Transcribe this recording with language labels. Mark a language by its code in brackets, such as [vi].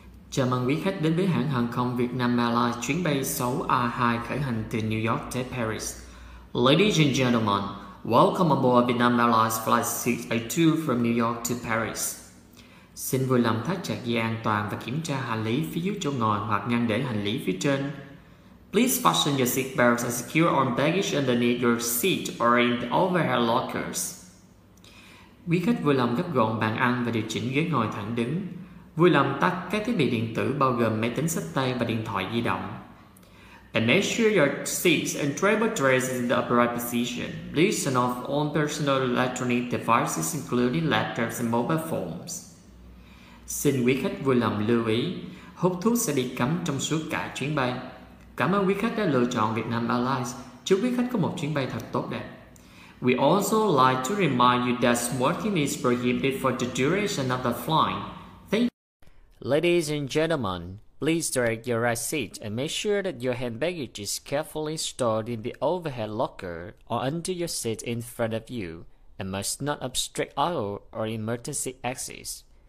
[vi] Chào mừng quý khách đến với hãng hàng không Vietnam Airlines chuyến bay 6A2 khởi hành từ New York tới Paris. [en] Ladies and gentlemen, welcome aboard Vietnam Airlines Flight 682 from New York to Paris. [vi] Xin vui lòng thắt chặt dây an toàn và kiểm tra hành lý phía dưới chỗ ngồi hoặc ngăn để hành lý phía trên. [en] Please fasten your seat belts and secure on baggage underneath your seat or in the overhead lockers. [vi] Quý khách vui lòng gấp gọn bàn ăn và điều chỉnh ghế ngồi thẳng đứng. Vui lòng tắt các thiết bị điện tử bao gồm máy tính xách tay và điện thoại di động. [en] And make sure your seats and travel trays are in the upright position. Please turn off all personal electronic devices including laptops and mobile phones. [vi] Xin quý khách vui lòng lưu ý, hút thuốc sẽ bị cấm trong suốt cả chuyến bay. Cảm ơn quý khách đã lựa chọn Vietnam Airlines. Chúc quý khách có một chuyến bay thật tốt đẹp. [en] We also like to remind you that smoking is prohibited for the duration of the flight. Ladies and gentlemen, please direct your right seat and make sure that your hand baggage is carefully stored in the overhead locker or under your seat in front of you and must not obstruct aisle or emergency exits.